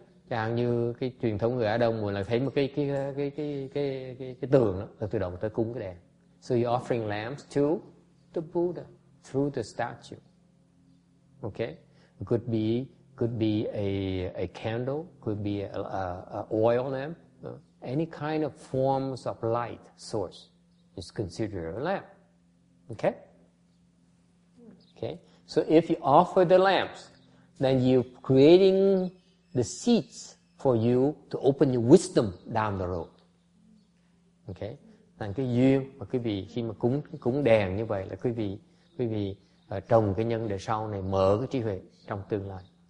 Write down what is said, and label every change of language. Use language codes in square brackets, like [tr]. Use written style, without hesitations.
[vi] Chẳng như cái truyền thống người Á Đông, mà là thấy một cái tường đó, tự động tới cúng cái đèn. [en] So you're offering lamps to the Buddha through the statue. Okay? Could be a candle, could be a oil lamp, any kind of forms of light source is considered a lamp. Okay? Okay? So if you offer the lamps, then you're creating the seeds for you to open your wisdom down the road. Okay? [vi] Thành cái duyên mà quý vị khi mà cúng đèn như vậy là quý vị trồng cái nhân để sau này mở cái trí huệ trong tương lai.